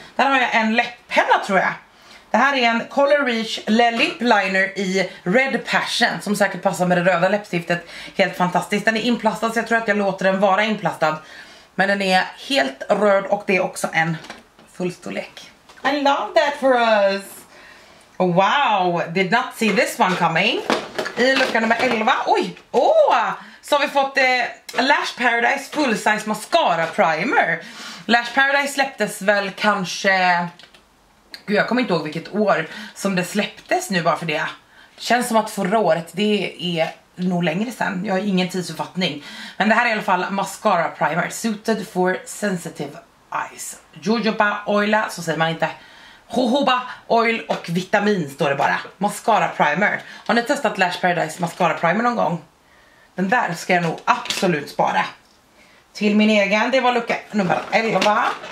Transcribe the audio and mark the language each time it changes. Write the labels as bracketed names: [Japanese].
[Swedish] Där har jag en läpppenna tror jag. Det här är en Color Reach Le Lip Liner i Red Passion. Som säkert passar med det röda läppstiftet. Helt fantastiskt. Den är inplastad så jag tror att jag låter den vara inplastad. Men den är helt röd och det är också en fullstorlek. [English] I love that for us. Wow, did not see this one coming. [Swedish] I lucka nummer 11. Oj, åh. Så har vi fått Lash Paradise Full Size Mascara Primer. Lash Paradise släpptes väl kanske... Gud, jag kommer inte ihåg vilket år som det släpptes nu bara för det. Känns som att förra året, det är nog längre sedan. Jag har ingen tidsuppfattning. Men det här är i alla fall Mascara Primer. [English] Suited for Sensitive Eyes. [Swedish] Jojoba Oil, så säger man inte. Jojoba Oil och Vitamin står det bara. Mascara Primer. Har ni testat Lash Paradise Mascara Primer någon gång? Den där ska jag nog absolut spara. Till min egen, det var lucka nummer 11.